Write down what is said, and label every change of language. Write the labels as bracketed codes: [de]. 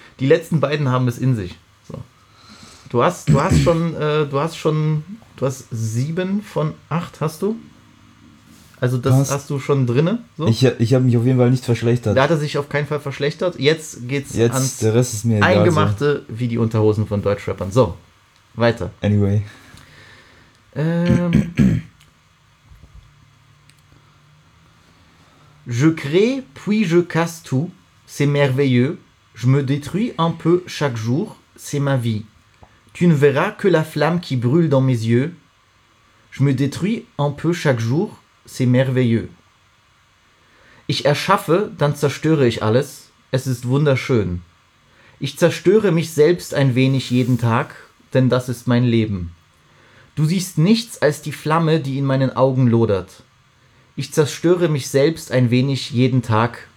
[de] Die letzten beiden haben es in sich. So. Du hast 7 von 8, hast du? Also das hast du schon drinne? So? Ich habe mich auf jeden Fall nicht verschlechtert. Da hat er sich auf keinen Fall verschlechtert. Jetzt geht's jetzt, ans der Rest ist mir egal, Eingemachte so. Wie die Unterhosen von Deutschrappern. So, weiter. [en] Anyway. [fr] Je crée, puis je casse tout. C'est merveilleux. Je me détruis un peu chaque jour. C'est ma vie. Tu ne verras que la flamme qui brûle dans mes yeux. Je me détruis un peu chaque jour. C'est merveilleux. [de] Ich erschaffe, dann zerstöre ich alles. Es ist wunderschön. Ich zerstöre mich selbst ein wenig jeden Tag, denn das ist mein Leben. Du siehst nichts als die Flamme, die in meinen Augen lodert. Ich zerstöre mich selbst ein wenig jeden Tag.